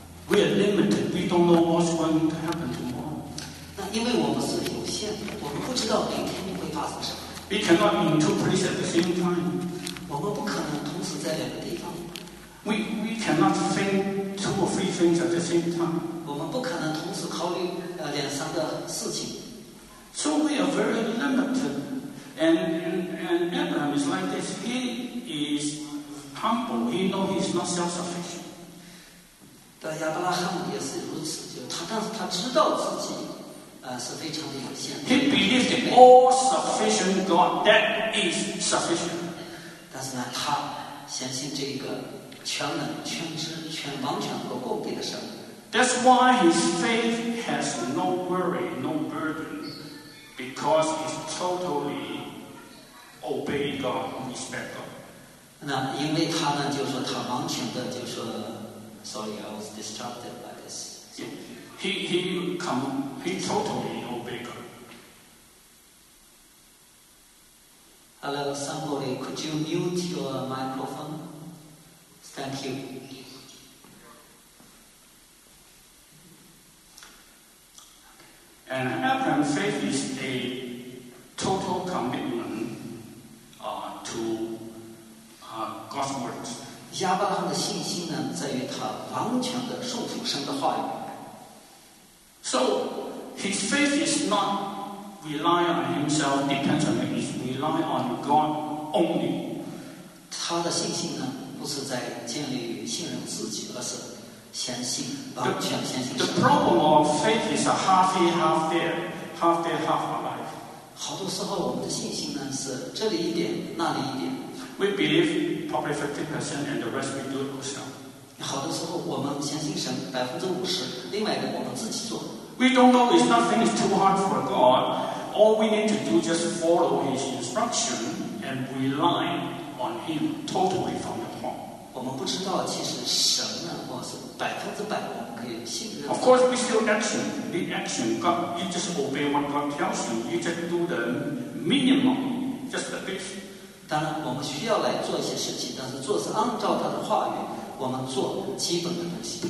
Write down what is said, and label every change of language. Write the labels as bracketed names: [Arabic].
[English] We are limited. We don't know what's going to happen tomorrow. [Chinese] 那因为我们是有限，我们不知道明天会发生什么。 [English] We cannot interpret at the same time. [Chinese] 我们不可能同时在两个地方。 [English] We cannot think two or three things at the same time. [Chinese] 我们不可能同时考虑两三个事情。 [English] So we are very limited, and Abraham is like this. He is humble. He knows he is not self-sufficient. [Chinese] 但亚伯拉罕也是如此，就他，但是他知道自己是非常的有限。 [English] He believed in all-sufficient God. That is sufficient. [Chinese] 但是呢，他相信这个全能、全知、全完全和供给的神。 [English] That's why his faith has no worry, no burden, because he's totally obey God, respect God. [Chinese] 那因为他呢，就是说他完全的，就是说 ， [English] sorry, I was distracted by this.、So、 he totally obey God. Hello, somebody, could you mute your microphone? Thank you. And Abraham's faith is a total commitment to God's word. [Chinese] 亚伯拉罕的信心呢，在于他完全的顺服神的话语。 [English] So his faith is not. Rely on himself, depends on him, is rely on God only. [Chinese] 他的信心呢，不是在建立信任自己，而是相信，完全相信。 [English] The problem of faith is a half in, half there, half there, half alive. [Chinese] 好多时候我们的信心呢，是这里一点，那里一点。 [English] We believe probably 50% and the rest we do it ourselves. [Chinese] 好多时候我们相信神50%，另外的我们自己做。 [English] We don't know if nothing is too hard for God. All we need to do is just follow His instruction and rely on Him totally from the heart. [Chinese] 我们不知道，其实神呢，我是100%我们可以信任。 [English] Of course, we still action. The action, God, you just obey what God tells you. You just do the minimum, just the basic. [Chinese] 当然，我们需要来做一些事情，但是做是按照他的话语，我们做基本的东西。